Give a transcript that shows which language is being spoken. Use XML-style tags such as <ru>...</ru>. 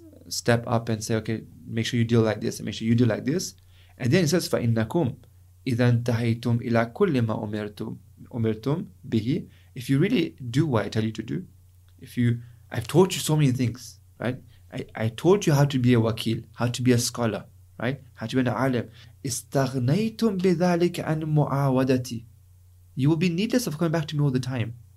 <en>Step up and say, okay, make sure you deal like this and make sure you deal like this. And then it says,</en> <ar>فَإِنَّكُمْ إِذَنْ تَحَيْتُمْ إِلَىٰ كُلِّ مَا أُمِرْتُمْ بِهِ.</ar> <en>If you really do what I tell you to do, I've taught you so many things, right? I taught you how to be a wakil, how to be a scholar, right? How to be an alim.</en> <ar>إِسْتَغْنَيْتُمْ بِذَلِكَ عَنْ مُعَاوَدَتِ.</ar> <en>You will be needless of coming back to me all the time.</en>